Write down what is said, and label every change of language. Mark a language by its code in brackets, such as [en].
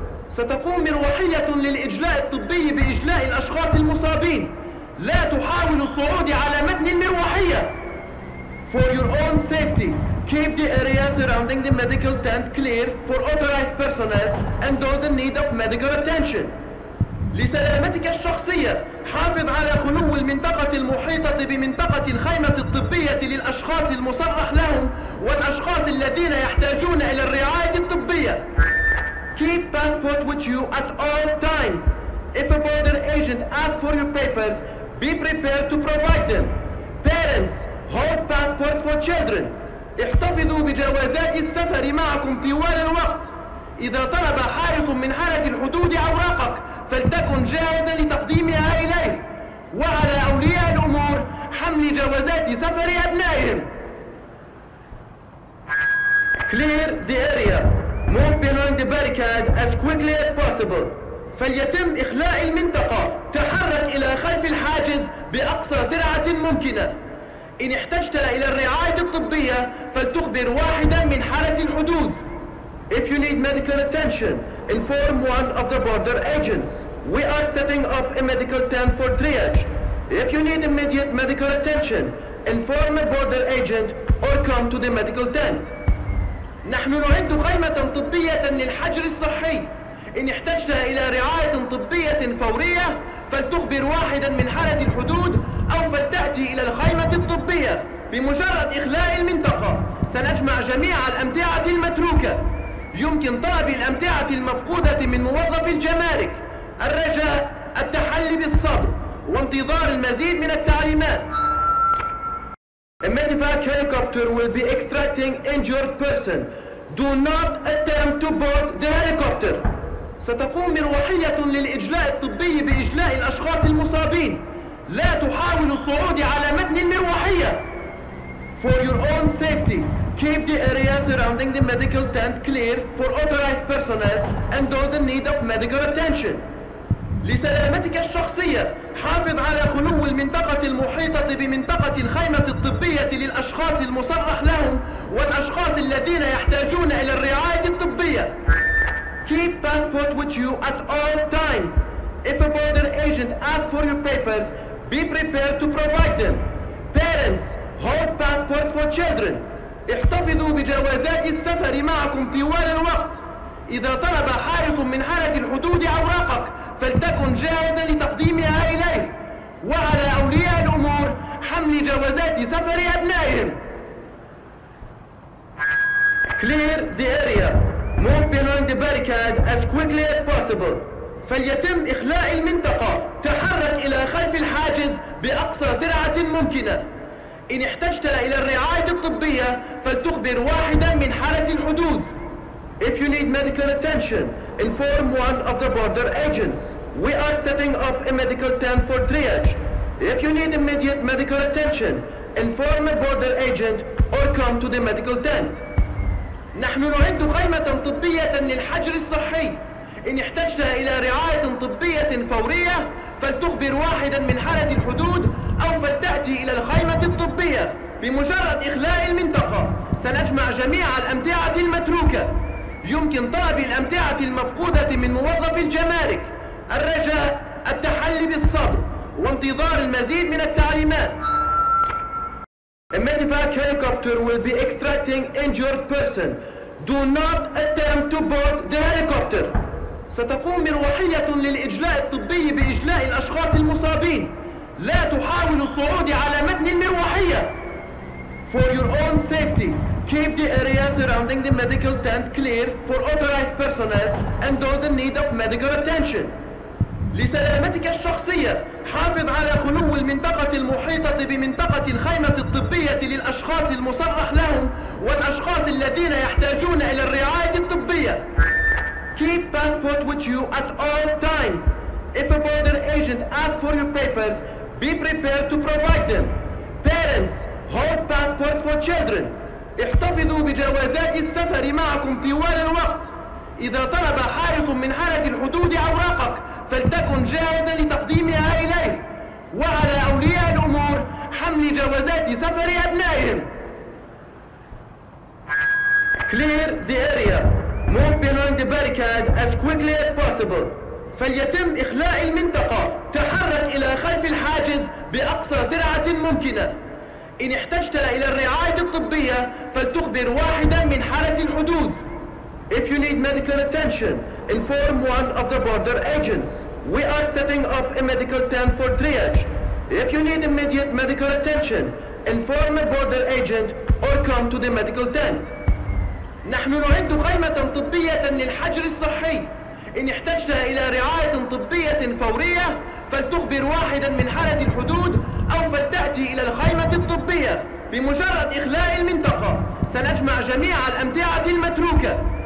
[ar] ستقوم مروحية للإجلاء الطبي بإجلاء الأشخاص المصابين. لا تحاول الصعود على متن المروحية. [en] For your own safety, keep the area surrounding the medical tent clear for authorized personnel and those in need of medical attention. [ar] لسلامتك الشخصية حافظ على خلو المنطقة المحيطة بمنطقة الخيمة الطبية للأشخاص المصرح لهم والأشخاص الذين يحتاجون إلى الرعاية الطبية. [en] Keep passport with you at all times. If a border agent asks for your papers, be prepared to provide them. Parents, hold passport for children. [ar] احتفظوا بجوازات السفر معكم طوال الوقت. إذا طلب حارس من حرس الحدود أوراقك فلتكن جاهزا لتقديمها إليه. وعلى أولياء الأمور حمل جوازات سفر أبنائهم. [en] Clear the area. Move behind the barricade as quickly as possible. [ar] فليتم إخلاء المنطقة. تحرك إلى خلف الحاجز بأقصى سرعة ممكنة. إن احتجت إلى الرعاية الطبية فلتخبر واحدا من حرس الحدود. [en] If you need medical attention, inform one of the border agents. We are setting up a medical tent for triage. If you need immediate medical attention, inform a border agent or come to the medical tent. [ar] نحن نعد خيمة طبية للحجر الصحي. إن احتجت إلى رعاية طبية فورية فلتخبر واحدا من حرس الحدود أو فلتأتي إلى الخيمة الطبية. بمجرد إخلاء المنطقة سنجمع جميع الأمتعة المتروكة. يمكن طلب الأمتعة المفقودة من موظف الجمارك. الرجاء التحلي بالصبر وانتظار المزيد من التعليمات. [en] A medevac helicopter will be extracting injured person. Do not attempt to board the helicopter. [ar] ستقوم مروحية للإجلاء الطبي بإجلاء الأشخاص المصابين. لا تحاول الصعود على متن المروحية. [en] For your own safety, keep the area surrounding the medical tent clear for authorized personnel and those in need of medical attention. [ar] لسلامتك الشخصية حافظ على خلو المنطقة المحيطة بمنطقة الخيمة الطبية للأشخاص المصرح لهم والأشخاص الذين يحتاجون إلى الرعاية الطبية. [en] Keep passport with you at all times. If a border agent asks for your papers, be prepared to provide them. Parents, hold passport for children. [ar] احتفظوا بجوازات السفر معكم طوال الوقت. إذا طلب حارس من حرس الحدود أوراقك فلتكن جاهزا لتقديمها إليه. وعلى أولياء الأمور حمل جوازات سفر أبنائهم. [en] Clear the area. Move behind the barricade as quickly as possible. [ar] فليتم إخلاء المنطقة. تحرك إلى خلف الحاجز بأقصى سرعة ممكنة. إن احتجت إلى الرعاية الطبية فلتخبر واحدا من حرس الحدود. [en] If you need medical attention, inform one of the border agents. We are setting up a medical tent for triage. If you need immediate medical attention, inform a border agent or come to the medical tent. [ar] نحن نعد خيمة طبية للحجر الصحي. إن احتجت إلى رعاية طبية فورية فلتخبر واحدا من حرس الحدود أو فلتأتي إلى الخيمة الطبية. بمجرد إخلاء المنطقة سنجمع جميع الأمتعة المتروكة. يمكن طلب الأمتعة المفقودة من موظف الجمارك. الرجاء التحلي بالصبر وانتظار المزيد من التعليمات. [en] A medevac helicopter will be extracting injured person. Do not attempt to board the helicopter. [ar] ستقوم مروحية للإجلاء الطبي بإجلاء الأشخاص المصابين. لا تحاول الصعود على متن المروحية. [en] For your own safety, keep the area surrounding the medical tent clear for authorized personnel and those in need of medical attention. [ar] لسلامتك الشخصية حافظ على خلو المنطقة المحيطة بمنطقة الخيمة الطبية للأشخاص المصرح لهم والأشخاص الذين يحتاجون إلى الرعاية الطبية. [en] Keep passport with you at all times. If a border agent asks for your papers, be prepared to provide them. Parents, hold passport for children. [ar] احتفظوا بجوازات السفر معكم طوال الوقت. إذا طلب حارس من حرس الحدود أوراقك فلتكن جاهزا لتقديمها إليه. وعلى أولياء الأمور حمل حمل جوازات سفر أبنائهم. [en] Clear the area. Move behind the barricade as quickly as possible. [ar] فليتم إخلاء المنطقة. تحرك إلى خلف الحاجز بأقصى سرعة ممكنة. إن احتجت إلى الرعاية الطبية فلتخبر واحدا من حرس الحدود. [en] If you need medical attention, inform one of the border agents. We are setting up a medical tent for triage. If you need immediate medical attention, inform a border agent or come to the medical tent. [ar] نحن نعد خيمة طبية للحجر الصحي. إن احتجت إلى رعاية طبية فورية فلتخبر واحدا من حرس الحدود أو فلتأتي إلى الخيمة الطبية. بمجرد إخلاء المنطقة سنجمع جميع الأمتعة المتروكة.